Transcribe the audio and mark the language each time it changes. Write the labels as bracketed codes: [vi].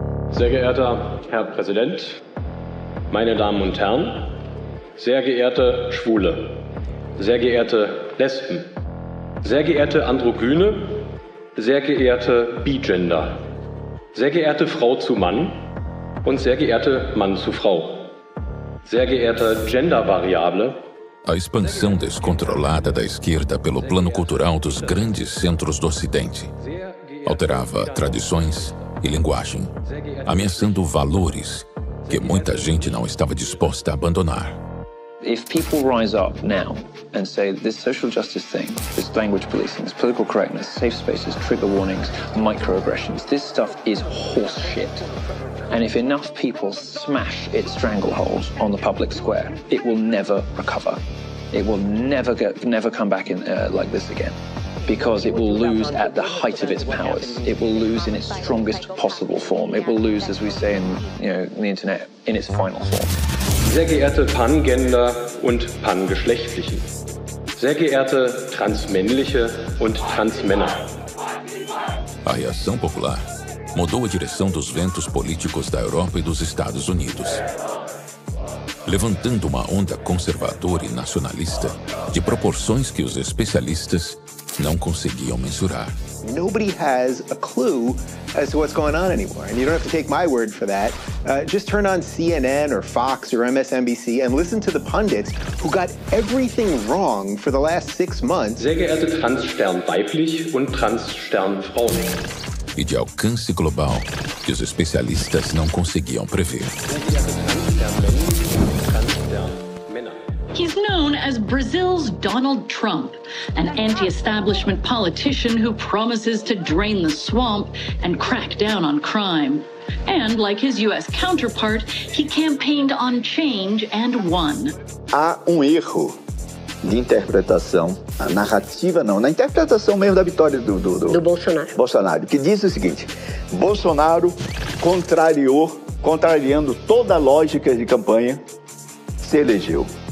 [de] Sehr geehrter Herr Präsident, meine Damen und Herren, sehr geehrte Schwule, sehr geehrte Lesben, sehr geehrte Androgyne, sehr geehrte Bigender, sehr geehrte Frau zu Mann und sehr geehrte Mann zu Frau, sehr geehrte Gendervariable. [pt] A expansão descontrolada da esquerda pelo plano cultural dos grandes centros do Ocidente alterava tradições e linguagem, ameaçando valores que muita gente não estava disposta a abandonar. [en] If people rise up now and say this social justice thing, this language policing, this political correctness, safe spaces, trigger warnings, microaggressions, this stuff is horse shit. And if enough people smash its stranglehold on the public square, it will never recover. It will never come back in like this again. Because it will lose at the height of its powers. It will lose in its strongest possible form. It will lose, as we say in, you know, the internet, in its final form. [de] Sehr geehrte Pangender und Pangeschlechtlichen. Sehr geehrte Transmännliche und Transmänner. [pt] A reação popular mudou a direção dos ventos políticos da Europa e dos Estados Unidos, levantando uma onda conservadora e nacionalista de proporções que os especialistas não conseguiam mensurar. [en] Nobody has a clue as to what's going on anymore, and you don't have to take my word for that. Just turn on CNN or Fox or MSNBC and listen to the pundits who got everything wrong for the last six months. [de] Sehr geehrte Transstern weiblich und Transstern Frauen. [pt] E de alcance global que os especialistas não conseguiam prever. [en] He's known as Brazil's Donald Trump, an anti-establishment politician who promises to drain the swamp and crack down on crime. And like his US counterpart, he campaigned on change and won. [pt] Há erro de interpretação, a narrativa não, na interpretação mesmo da vitória do Bolsonaro. Bolsonaro, que diz o seguinte: Bolsonaro contrariando toda a lógica de campanha, se elegeu.